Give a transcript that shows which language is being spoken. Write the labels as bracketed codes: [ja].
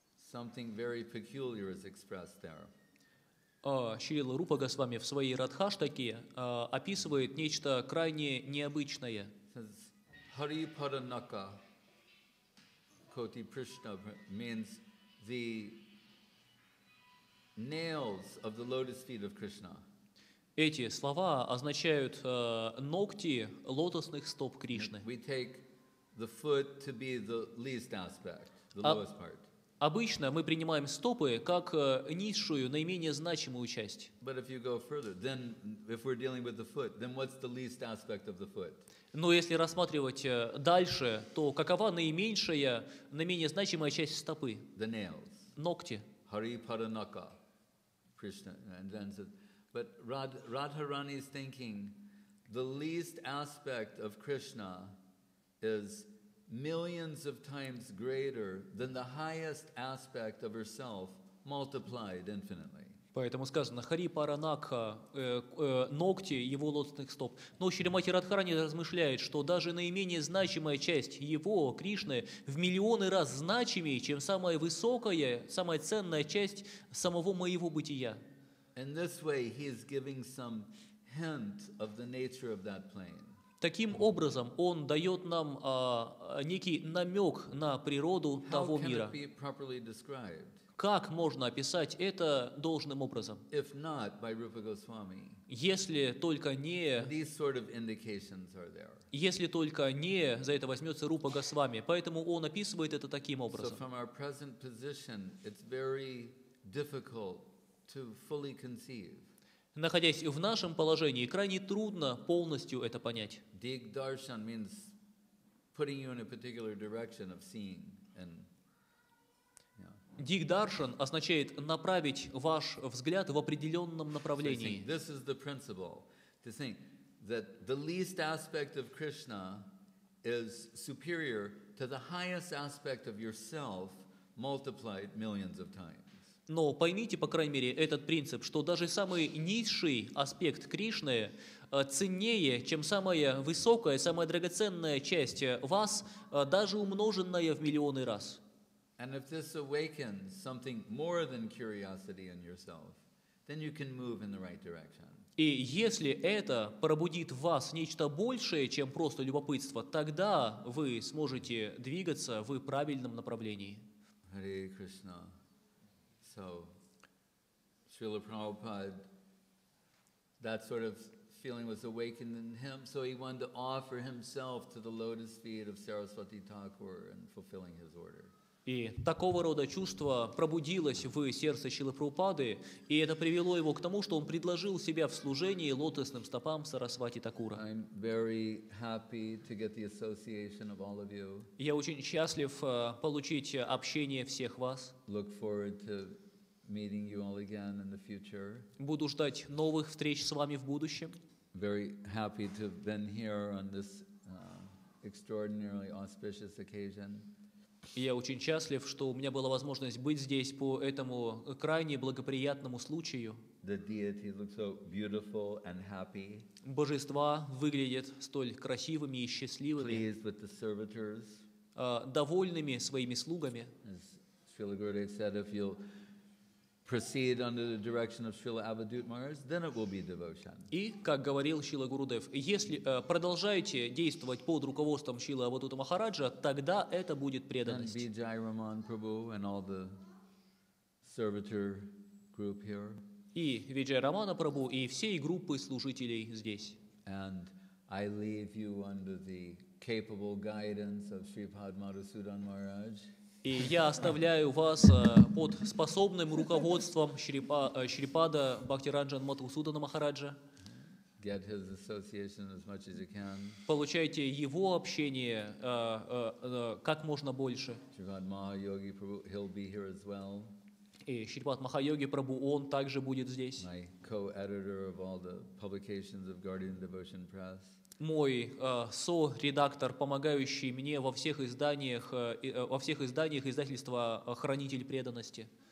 [en] Something very peculiar is expressed there. [ru] Шрила Рупа Госвами в своей Радхаштаке описывает нечто крайне необычное. [en] Hari Padanaka Koti Prishna means the nails of the lotus feet of Krishna. [ru] Эти слова означают ногти лотосных стоп Кришны. [en] We take the foot to be the least aspect, the lowest part. [ru] Обычно мы принимаем стопы как низшую, наименее значимую часть. [en] But if you go further, then if we're dealing with the foot, then what's the least aspect of the foot? [ru] Но если рассматривать дальше, то какова наименьшая, наименее значимая часть стопы? [en] The nails. [ru] Ногти. [en] Hari Padanaka. Krishna. And then says, but Radharani is thinking the least aspect of Krishna is millions of times greater than the highest aspect of herself multiplied infinitely. [ru] Поэтому сказано, Хари Паранакха, ногти его лотосных стоп. Но Шримати Радхарани размышляет, что даже наименее значимая часть его, Кришны, в миллионы раз значимее, чем самая высокая, самая ценная часть самого моего бытия. [en] In this way he is giving some hint of the nature of that plane. [ru] Таким образом, он дает нам некий намек на природу того мира. [en] How can it be properly described? [ru] Как можно описать это должным образом? [en] If not, by Rupa Goswami, [ru] если только не... [en] These sort of indications are there. [ru] Если только не за это возьмется Рупа Госвами. Поэтому он описывает это таким образом. [en] So from our present position, it's very difficult to fully conceive. [ru] Находясь в нашем положении, крайне трудно полностью это понять. [en] Дигдаршан means putting you in a particular direction of seeing and... [ru] Дигдаршан означает направить ваш взгляд в определенном направлении. [en] This is the principle, to think that the least aspect of Krishna is superior to the highest aspect of yourself multiplied millions of times. [ru] Но поймите, по крайней мере, этот принцип, что даже самый низший аспект Кришны ценнее, чем самая высокая, самая драгоценная часть вас, даже умноженная в миллионы раз. [en] And if this awakens something more than curiosity in yourself, then you can move in the right direction. [ru] И если это пробудит в вас нечто большее, чем просто любопытство, тогда вы сможете двигаться в правильном направлении. [en] Hare Krishna. So, Srila Prabhupada, that sort of feeling was awakened in him, so he wanted to offer himself to the lotus feet of Saraswati Thakur and fulfilling his order. [ru] И такого рода чувство пробудилось в сердце Шрилы Прабхупады, и это привело его к тому, что он предложил себя в служении лотосным стопам Сарасвати Такура. [en] I'm very happy to get the association of all of you. [ru] Я очень счастлив получить общение всех вас. [en] Look forward to meeting you all again in the future. [ru] Буду ждать новых встреч с вами в будущем. [en] Very happy to have been here on this extraordinarily auspicious occasion. [ru] Я очень счастлив, что у меня была возможность быть здесь по этому крайне благоприятному случаю. [en] The deity looks so beautiful and happy. [ru] Божества выглядят столь красивыми и счастливыми. [en] Pleased with the servitors. [ru] Довольными своими слугами. [en] As Srila Gurudev said, if you'll proceed under the direction of Srila Avadhut Maharaj, then it will be devotion. [ru] И, как говорил Шрила Гурудев, если продолжаете действовать под руководством Шрилы Авадхута Махараджа, тогда это будет преданность. [en] And Vijay Raman Prabhu and all the servitor group here. [ru] И Виджай Рамана Прабху и всей группы служителей здесь. [en] And I leave you under the capable guidance of Shripad Madhusudan Maharaj. [ru] И я оставляю вас под способным руководством Шрипада Бхактиранджан Матхусудана Махараджа. [en] Get his association as much as you can. [ru] Получайте его общение как можно больше. [en] Шрипад Махайоги Прабху, he'll be here as well. [ru] И Шрипад Махайоги Прабху, он также будет здесь. [en] My co-editor of all the publications of Guardian Devotion Press. [ru] Мой со-редактор, помогающий мне во всех изданиях, издательства «Хранитель преданности».